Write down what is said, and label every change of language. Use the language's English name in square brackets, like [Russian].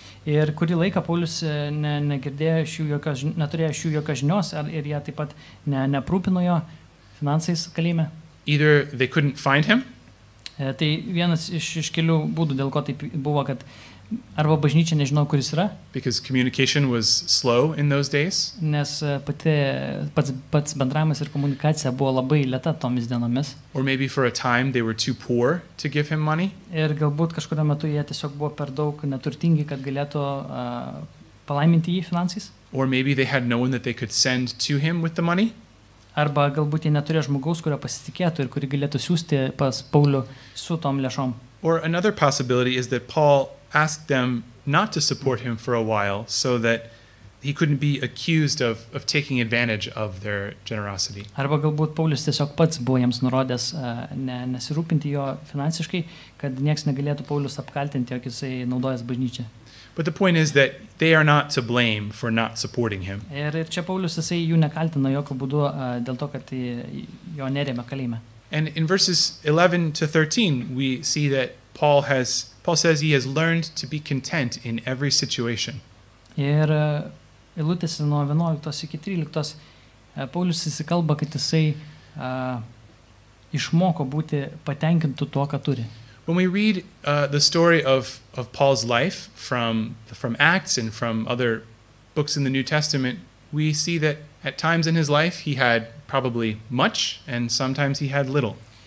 [Lithuanian] Ir kurį laiką Paulius neturėjo šių jokios žinios ir jie taip pat neaprūpino jo finansais kalime. [English] Either they couldn't find him. [Lithuanian] Tai vienas iš kelių būdų, dėl ko taip buvo, kad arba bažnyčia nežino, kur jis yra. [English] Because communication was slow in those days. [Lithuanian] Nes pats bendravimas ir komunikacija buvo labai lėta tomis dienomis. [English] Or maybe for a time they were too poor to give him money. [Lithuanian] Ir galbūt kažkuriuo metu jie tiesiog buvo per daug neturtingi, kad galėtų palaiminti jį finansais. [English] Or maybe they had no one that they could send to him with the money. [Lithuanian] Arba galbūt jie neturėjo žmogaus, kurio pasitikėtų ir kuri galėtų siūsti pas Paulių su tom lėšom. [English] Or another possibility is that Paul asked them not to support him for a while so that he couldn't be accused of taking advantage of their generosity. [Lithuanian] Arba galbūt Paulius tiesiog pats buvo jiems nurodęs nesirūpinti jo finansiškai, kad nieks negalėtų Paulius apkaltinti, jog jisai naudojas bažnyčia. [English] But the point is that they are not to blame for not supporting him. [Lithuanian] Ir čia Paulius jisai jų nekaltino jokio būdu dėl to, kad jo nerėmė kalėjime. [English] And in verses 11 to 13 we see that Paul says he has learned to be content in every situation. [Lithuanian] Ir eilutėse nuo 11 iki 13 Paulius įsikalba, kad jisai išmoko būti patenkintu tuo, ką turi. [English] When we read the story of Paul's life from Acts and from other books in the New Testament, we see that at times in his life he had probably much and sometimes he had little.